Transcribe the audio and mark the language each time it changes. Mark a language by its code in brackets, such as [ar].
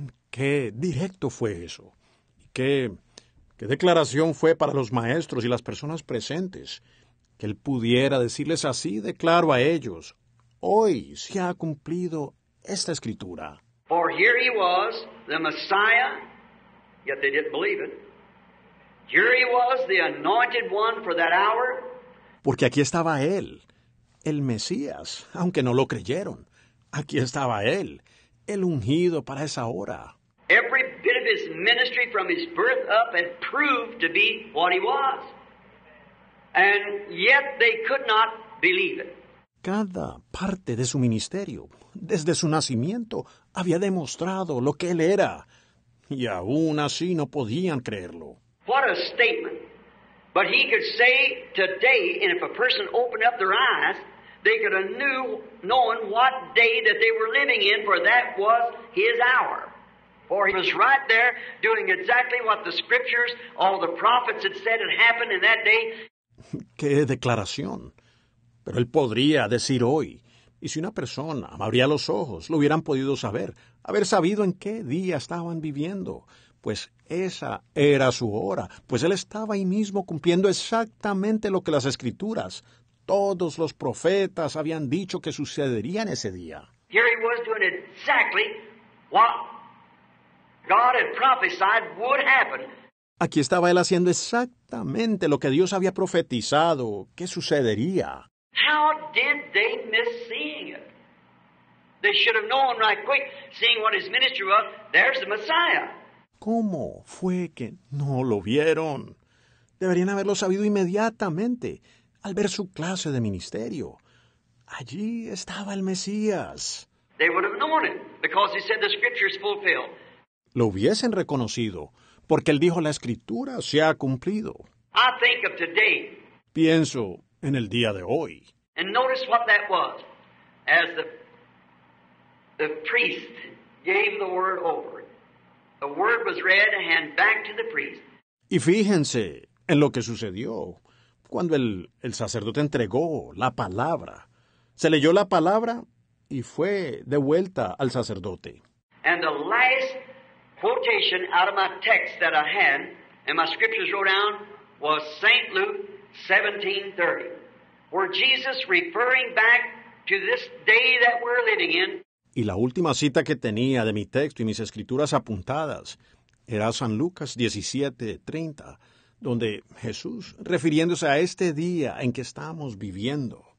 [es] Qué directo fue eso. Qué declaración fue para los maestros y las personas presentes que él pudiera decirles así de claro a ellos. Hoy se ha cumplido esta escritura. [en] For here he was, the Messiah, yet they didn't believe it. Here he was, the anointed one for that hour. [es] Porque aquí estaba él, el Mesías, aunque no lo creyeron. Aquí estaba él, el ungido para esa hora. [en] Every bit of his ministry from his birth up had proved to be what he was. And yet they could not believe it. [es] Cada parte de su ministerio, desde su nacimiento, había demostrado lo que él era. Y aún así no podían creerlo. [en] What a statement. But he could say today, and if a person opened up their eyes, they could have knew, knowing what day that they were living in, for that was his hour. For he was right there doing exactly what the scriptures, all the prophets had said had happened in that day. [es] ¡Qué declaración! Pero él podría decir hoy. Y si una persona abría los ojos, lo hubieran podido saber, haber sabido en qué día estaban viviendo. Pues esa era su hora. Pues él estaba ahí mismo cumpliendo exactamente lo que las escrituras, todos los profetas habían dicho que sucedería en ese día. [en] Here he was doing exactly what God had prophesied would happen. [es] Aquí estaba él haciendo exactamente lo que Dios había profetizado que sucedería. [en] How did they miss seeing it? They should have known right quick, seeing what his ministry was, there's the Messiah. [es] ¿Cómo fue que no lo vieron? Deberían haberlo sabido inmediatamente al ver su clase de ministerio. Allí estaba el Mesías. [en] They would have known it because he said the scripture is fulfilled. [es] Lo hubiesen reconocido, porque él dijo, la Escritura se ha cumplido. [en] I think of today. [es] Pienso en el día de hoy. [en] And notice what that was. As the priest gave the word over, the word was read and back to the priest. [es] Y fíjense en lo que sucedió. Cuando el sacerdote entregó la palabra, se leyó la palabra y fue de vuelta al sacerdote. [en] And the last quotation out of my text that I had and my scriptures wrote down was St. Luke 17:30, where Jesus referring back to this day that we're living in. [es] Y la última cita que tenía de mi texto y mis escrituras apuntadas era San Lucas 17:30, donde Jesús, refiriéndose a este día en que estamos viviendo.